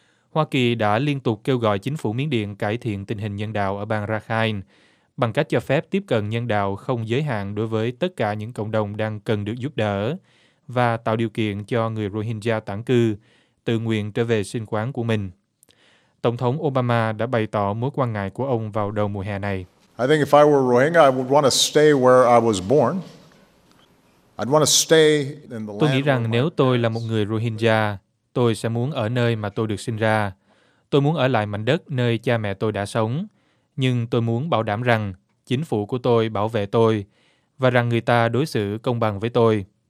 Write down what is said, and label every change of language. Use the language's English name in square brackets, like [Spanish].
[Vietnamese] Hoa Kỳ đã liên tục kêu gọi chính phủ Miến Điện cải thiện tình hình nhân đạo ở bang Rakhine bằng cách cho phép tiếp cận nhân đạo không giới hạn đối với tất cả những cộng đồng đang cần được giúp đỡ và tạo điều kiện cho người Rohingya tản cư tự nguyện trở về sinh quán của mình. Tổng thống Obama đã bày tỏ mối quan ngại của ông vào đầu mùa hè này. [English] I think if I were Rohingya, I would want to stay where I was born. I'd want to stay in the land. [Vietnamese] Tôi nghĩ rằng nếu tôi là một người Rohingya, tôi sẽ muốn ở nơi mà tôi được sinh ra. Tôi muốn ở lại mảnh đất nơi cha mẹ tôi đã sống, nhưng tôi muốn bảo đảm rằng chính phủ của tôi bảo vệ tôi và rằng người ta đối xử công bằng với tôi.